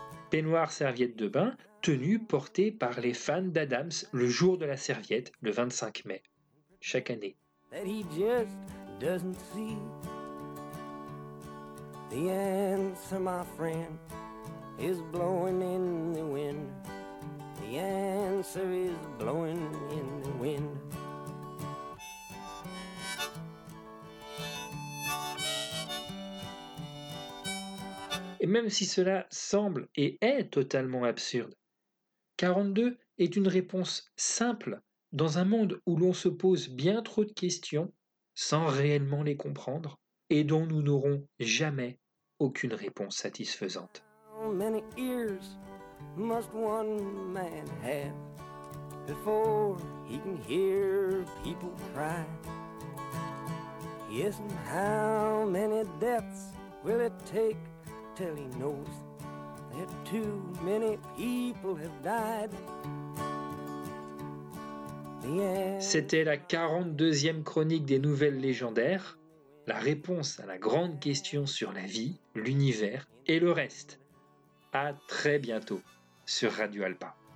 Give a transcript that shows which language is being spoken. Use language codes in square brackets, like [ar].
[fr] Peignoir, serviette de bain, tenue portée par les fans d'Adams le jour de la serviette, le 25 mai, chaque année. [en] That he just doesn't see the answer, my friend, is blowing in the wind. The answer is blowing in the wind. [fr] Et même si cela semble et est totalement absurde, 42 est une réponse simple dans un monde où l'on se pose bien trop de questions sans réellement les comprendre et dont nous n'aurons jamais aucune réponse satisfaisante. [en] Many ears must one man have before he can hear people cry? Yes, and how many deaths will it take till he knows that too many people have died? [fr] C'était la 42e chronique des Nouvelles Légendaires, la réponse à la grande question sur la vie, l'univers et le reste. À très bientôt sur Radio Alpa.